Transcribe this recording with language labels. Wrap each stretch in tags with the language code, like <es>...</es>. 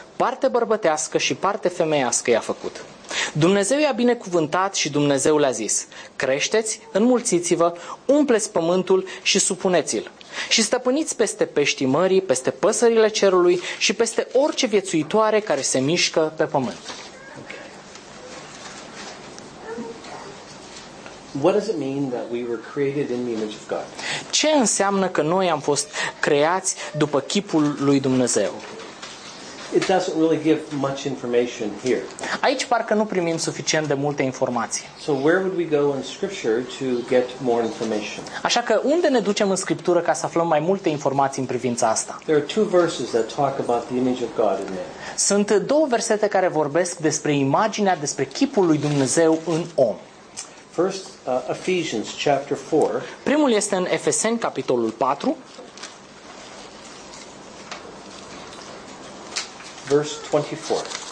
<ro>Parte bărbătească și parte femeiască i-a făcut. Dumnezeu i-a binecuvântat și Dumnezeu le-a zis: creșteți, înmulțiți-vă, umpleți pământul și supuneți-l. Și stăpâniți peste peștii mării, peste păsările cerului și peste orice viețuitoare care se mișcă pe pământ.</ro> <en>What does it mean that we were created in the image of God?</en> <ro>Ce înseamnă că noi am fost creați după chipul lui Dumnezeu?</ro> <en>It doesn't really give much information here.</en> <ro>Aici parcă nu primim suficient de multe informații.</ro> <en>So where would we go in scripture to get more information?</en> <ro>Așa că unde ne ducem în scriptură ca să aflăm mai multe informații în privința asta?</ro> <en>There are two verses that talk about the image of God in man.</en> <ro>Sunt două versete care vorbesc despre imaginea, despre chipul lui Dumnezeu în om.</ro> <en>First, Ephesians chapter 4.</en> <ro>Primul este în Efeseni capitolul 4.</ro> <en>Verse 24.</en>